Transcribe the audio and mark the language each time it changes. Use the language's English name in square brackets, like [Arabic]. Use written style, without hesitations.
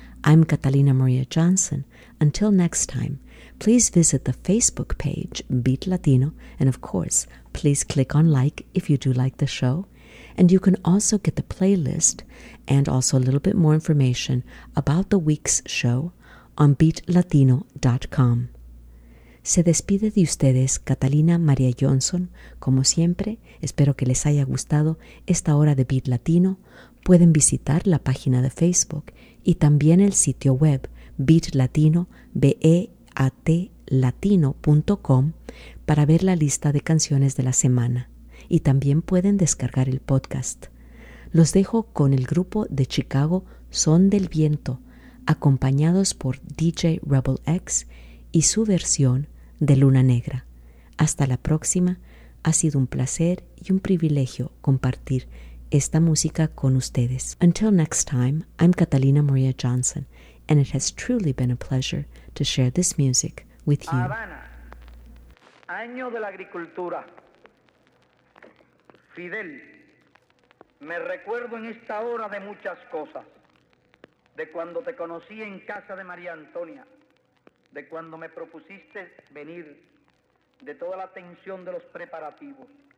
[English] I'm Catalina Maria Johnson. Until next time, please visit the Facebook page, Beat Latino, and of course, please click on like if you do like the show. And you can also get the playlist and also a little bit more information about the week's show on beatlatino.com. [Spanish] Se despide de ustedes Catalina María Johnson. Como siempre, espero que les haya gustado esta hora de Beat Latino. Pueden visitar la página de Facebook y también el sitio web Beat Latino, BEATLatino.com, para ver la lista de canciones de la semana. Y también pueden descargar el podcast. Los dejo con el grupo de Chicago Son del Viento, acompañados por DJ Rebel X y su versión de Luna Negra. Hasta la próxima. Ha sido un placer y un privilegio compartir esta música con ustedes. [English] Until next time, I'm Catalina Maria Johnson, and it has truly been a pleasure to share this music with you. [Spanish] Habana, año de la agricultura. Fidel, me recuerdo en esta hora de muchas cosas, de cuando te conocí en casa de María Antonia, de cuando me propusiste venir, de toda la tensión de los preparativos.